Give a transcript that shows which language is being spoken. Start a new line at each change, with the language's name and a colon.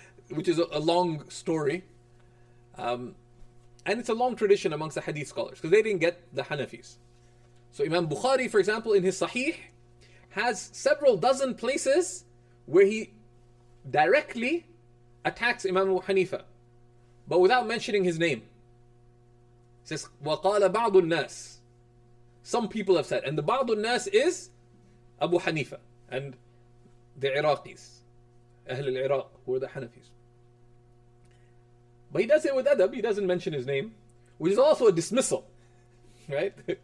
English: Which is a long story. And it's a long tradition amongst the hadith scholars, because they didn't get the Hanafis. So Imam Bukhari, for example, in his Sahih, has several dozen places where he directly attacks Imam Abu Hanifa, but without mentioning his name. He says,
Arabic: وَقَالَ بَعْضُ النَّاسِ.
English: Some people have said, and the
Arabic: بَعْضُ النَّاسِ
English: is Abu Hanifa and the Iraqis, Ahl al-Iraq, who are the Hanafis. But he does it with adab, he doesn't mention his name, which is also a dismissal, right?